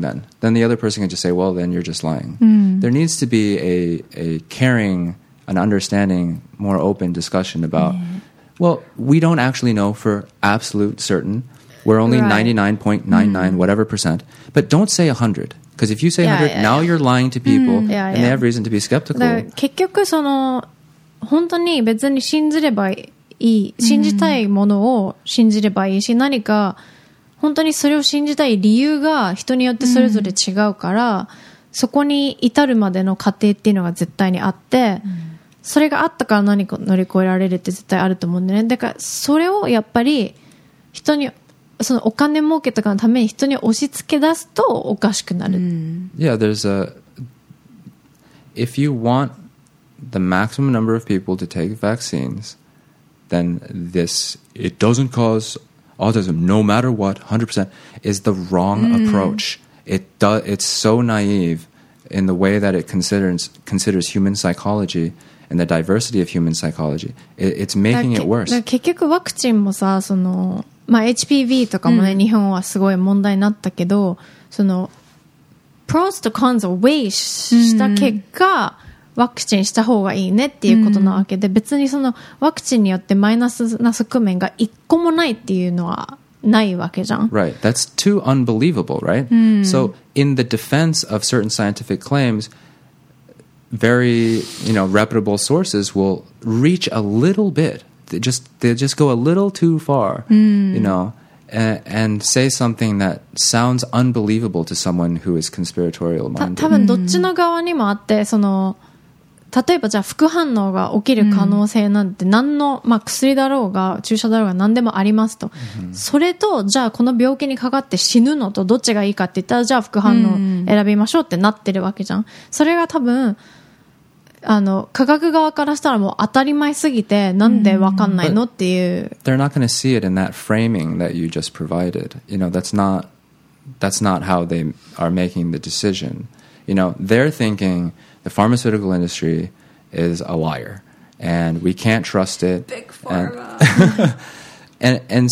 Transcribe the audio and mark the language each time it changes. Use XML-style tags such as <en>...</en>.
<en>Then the other person can just say, well, then you're just lying. There needs to be a caring, an understanding, more open discussion about, well, we don't actually know for absolute certain. We're only 99.99 whatever percent, but don't say 100, because if you say 100, now you're lying to people, and they have reason to be skeptical.</en> <ja>結局その本当に別に信じればいい、信じたいものを信じればいいし、何か本当にそれを信じたい理由が人によってそれぞれ違うから、そこに至るまでの過程っていうのが絶対にあって、それがあったから何か乗り越えられるって絶対あると思うんだよね。だからそれをやっぱり人にそのお金儲けとかのために人に押し付け出すとおかしくなる。</ja> <en>Yeah, there's a if you wantthe maximum number of people to take vaccines, then this, it doesn't cause autism no matter what, 100%, is the wrong approach. It's so naive in the way that it considers human psychology, and the diversity of human psychology, it's making it worse.</en> <ja>結局ワクチンもさ、その、まあ、HPV とかもね、うん、日本はすごい問題になったけど、そのpros と cons をウェイした結果、うん、ワクチンした方がいいねっていうことなわけで、うん、別にそのワクチンによってマイナスな側面が一個もないっていうのはないわけじゃん。</ja> <en>Right, that's too unbelievable, right?、うん、 so in the defense of certain scientific claims, very, you know, reputable sources will reach a little bit, they just go a little too far,、うん、 you know, and say something that sounds unbelievable to someone who is conspiratorial minded.</en> <ja>多分どっちの側にもあって、その例えばじゃあ副反応が起きる可能性なんて何の、うん、まあ、薬だろうが注射だろうが何でもありますと、うん、それとじゃあこの病気にかかって死ぬのとどっちがいいかって言ったらじゃあ副反応選びましょうってなってるわけじゃん、うん、それが多分あの科学側からしたらもう当たり前すぎてなんで分かんないの、うん、っていう。</ja> <en>They're not going to see it in that framing that you just provided. You know, that's not how they are making the decision. You know, they're thinkingThe pharmaceutical industry is a liar, and we can't trust it. Big pharma. And</en>